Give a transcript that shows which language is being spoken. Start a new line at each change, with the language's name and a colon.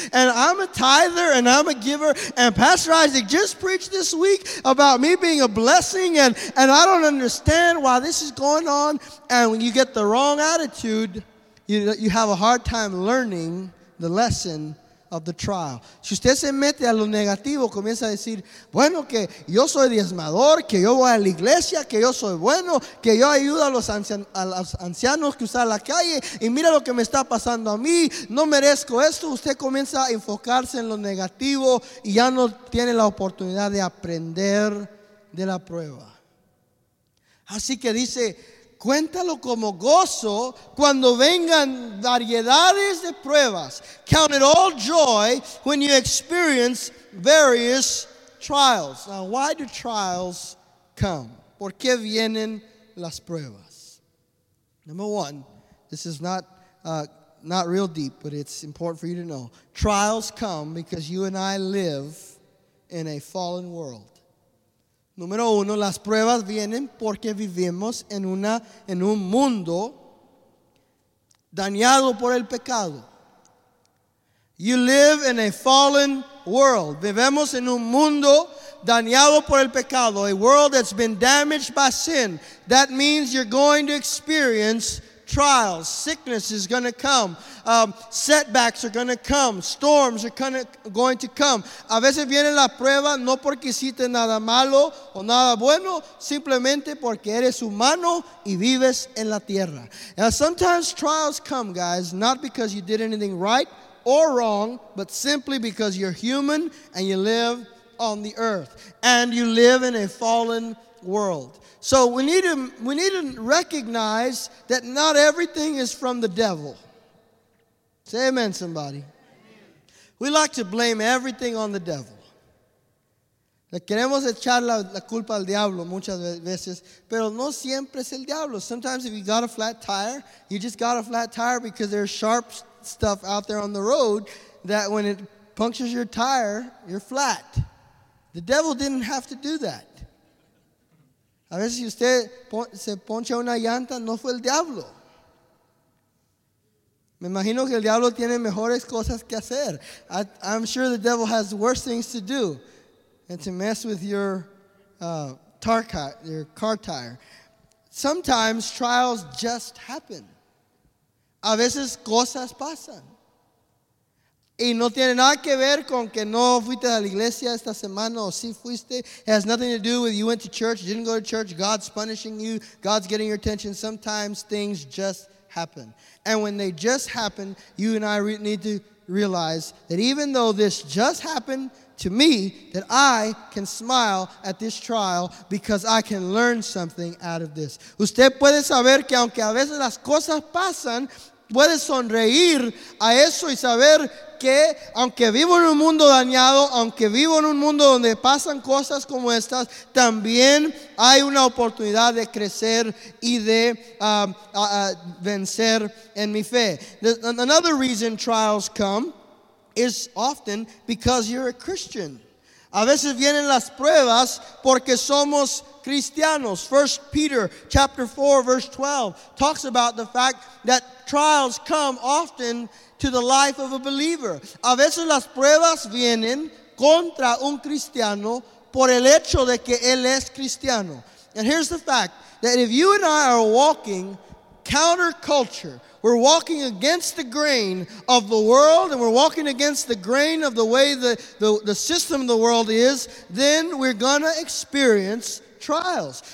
English: And I'm a tither and I'm a giver. And Pastor Isaac just preached this week about me being a blessing. And I don't understand why this is going on. And when you get the wrong attitude, you have a hard time learning the lesson of the trial.
Spanish: Si usted se mete a lo negativo, comienza a decir, bueno, que yo soy diezmador, que yo voy a la iglesia, que yo soy bueno, que yo ayudo a los ancianos que usan la calle, y mira lo que me está pasando a mí, no merezco esto. Usted comienza a enfocarse en lo negativo y ya no tiene la oportunidad de aprender de la prueba. Así que dice, cuéntalo como gozo cuando vengan variedades de pruebas.
English: Count it all joy when you experience various trials. Now, why do trials come?
Spanish: ¿Por qué vienen las pruebas?
English: Number one, this is not real deep, but it's important for you to know. Trials come because you and I live in a fallen world.
Spanish: Número uno, las pruebas vienen porque vivimos en una en un mundo dañado por el pecado.
English: You live in a fallen world.
Spanish: Vivemos en un mundo dañado por el pecado,
English: a world that's been damaged by sin. That means you're going to experience trials. Sickness is going to come. Setbacks are going to come. Storms are going to come.
Spanish: A veces viene la prueba no porque hiciste nada malo o nada bueno, simplemente porque eres humano y vives en la tierra.
English: Now, sometimes trials come, guys, not because you did anything right or wrong, but simply because you're human and you live on the earth and you live in a fallen world. So we need to recognize that not everything is from the devil. Say amen, somebody. Amen. We like to blame everything on the devil.
Spanish: Le queremos echar la culpa al diablo muchas veces, pero no siempre es el diablo.
English: Sometimes if you got a flat tire, you just got a flat tire because there's sharp stuff out there on the road that when it punctures your tire, you're flat. The devil didn't have to do that.
Spanish: A veces si usted se poncha una llanta, no fue el diablo. Me imagino que el diablo tiene mejores cosas que hacer.
English: I'm sure the devil has worse things to do than to mess with your car tire. Sometimes trials just happen.
Spanish: A veces cosas pasan. Y no tiene nada que ver con que no fuiste a la iglesia esta semana o si fuiste.
English: It has nothing to do with you went to church, didn't go to church. God's punishing you. God's getting your attention. Sometimes things just happen. And when they just happen, you and I need to realize that even though this just happened to me, that I can smile at this trial because I can learn something out of this.
Spanish: Usted puede saber que aunque a veces las cosas pasan, puede sonreír a eso y saber que aunque vivo en un mundo dañado, aunque vivo en un mundo donde pasan cosas como estas, también hay una oportunidad de crecer y de vencer en mi fe.
English: Another reason trials come is often because you're a Christian.
Spanish: A veces vienen las pruebas porque somos cristianos.
English: 1 Peter chapter 4 verse 12 talks about the fact that trials come often to the life of a believer.
Spanish: A veces las pruebas vienen contra un cristiano por el hecho de que él es cristiano.
English: And here's the fact, that if you and I are walking counterculture, we're walking against the grain of the world, and we're walking against the grain of the way the system of the world is, then we're going to experience trials.